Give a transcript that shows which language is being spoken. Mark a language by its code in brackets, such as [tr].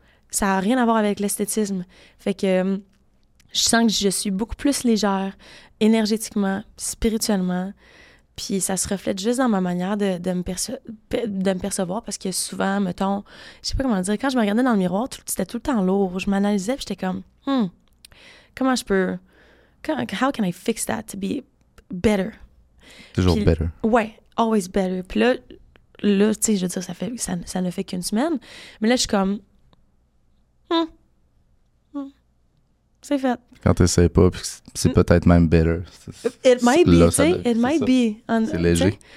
[fr] Ça n'a rien à voir avec l'esthétisme. Fait que je sens que je suis beaucoup plus légère énergétiquement, spirituellement. Puis ça se reflète juste dans ma manière de me percevoir parce que souvent, mettons, je sais pas comment dire, quand je me regardais dans le miroir, c'était tout le temps lourd. Je m'analysais puis j'étais comme, comment je peux... [en] How can I fix that to be better? [fr] Toujours puis, [en] better. [fr] Ouais, [en] always better. [fr] Puis là tu sais, je veux dire, ça ne fait qu'une semaine. Mais là, je suis comme, c'est fait. Quand tu n'essaies pas, c'est peut-être même [en] better. It might be, [fr] tu sais. [en] It might be. [fr] C'est léger. T'sais?